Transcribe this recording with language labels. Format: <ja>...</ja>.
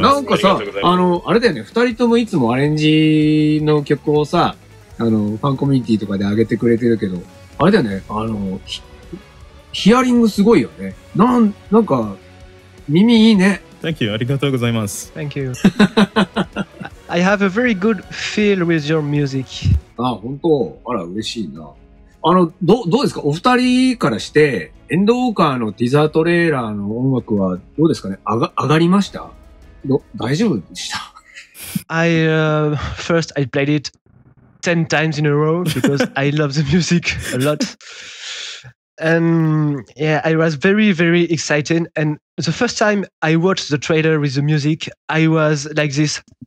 <ja>いや、なんかさ、あれだよね、2人ともいつもアレンジの曲をさ、ファンコミュニティとかで上げてくれてるけど、あれだよね、ヒアリングすごいよね。なんか、耳いいね。</ja> <en>Thank you.</en> <ja>ありがとうございます。</ja> <en>Thank you. I have a very good feel with your music.</en> <ja>あ、ほんと。あら、嬉しいな。どうですかお二人からして、エンドウォーカーのティザートレーラーの音楽はどうですかね？上がりました？大丈夫でした？</ja> <en>I played it 10 times in a row because I love the music a lot. And yeah, I was very, very excited. And the first time I watched the trailer with the music, I was like this.</en>